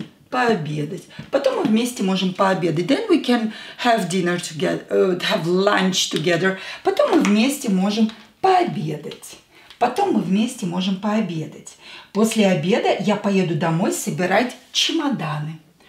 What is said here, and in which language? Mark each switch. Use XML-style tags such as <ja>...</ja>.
<ru>Пообедать. Потом мы вместе можем пообедать.</ru> <en>Then we can have dinner together, have lunch together.</en> <ru>Потом мы вместе можем пообедать. Потом мы вместе можем пообедать. После обеда я поеду домой собирать чемоданы.</ru>